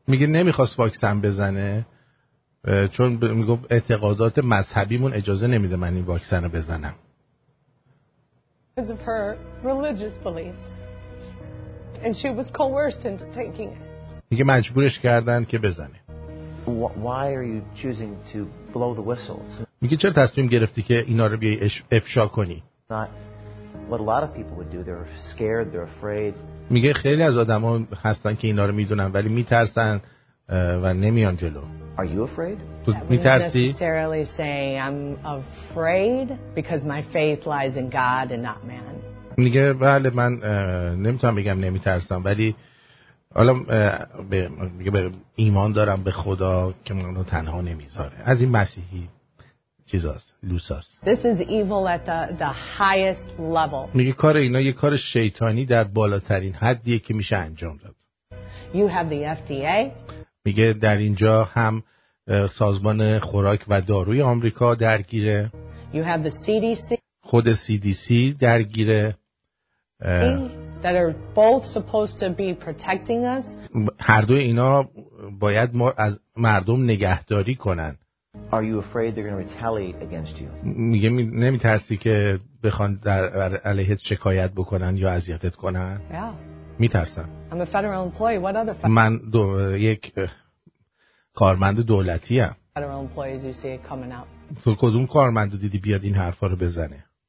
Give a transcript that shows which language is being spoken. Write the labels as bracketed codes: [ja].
[fa] میگه نمیخواست واکسن بزنه چون میگفت اعتقادات مذهبیمون اجازه نمیده من این واکسن رو بزنم. [en] Because of her religious beliefs. And she was coerced into taking it. [fa] میگه مجبورش کردن که بزنه. [en] Why are you choosing to blow the whistle? [fa] میگه چرا تصمیم گرفتی که اینا رو بیای افشا کنی؟ [en] Not what a lot of people would do. They're scared, they're afraid. [fa] میگه خیلی از آدم ها هستن که اینا رو میدونن ولی میترسن و نمیان جلو. [en] Are you afraid? [fa] تو میترسی؟ [en] I'm necessarily saying I'm afraid because my faith lies in God and not man. [fa] میگه بله من نمیتونم بگم نمیترسم ولی حالا میگه به ایمان دارم به خدا که منو تنها نمیذاره. از این مسیحی چیزاست، لوساست. [en] This is evil at the highest level. [fa] میگه کار اینا یه کار شیطانی در بالاترین حدیه که میشه انجام داد. [en] You have the FDA. [fa] میگه در اینجا هم سازمان خوراک و داروی آمریکا درگیره. [en] You have the CDC. [fa] خود CDC درگیره. [en] That are both supposed to be protecting us. [fa] هر دوی اینا باید ما از مردم نگهداری کنن. [en] Are you afraid they're going to retaliate against you? [fa] میگه نمیترسی که بخوان در علیهت شکایت بکنن یا اذیتت کنن؟ [en] Yeah. [fa] میترسم. [en] I'm a federal employee. What other [fa] من یک کارمند دولتی ام. [en] Federal employees, you see it coming out. [fa] تو کدوم کارمندو دیدی بیاد این حرفا رو بزنه؟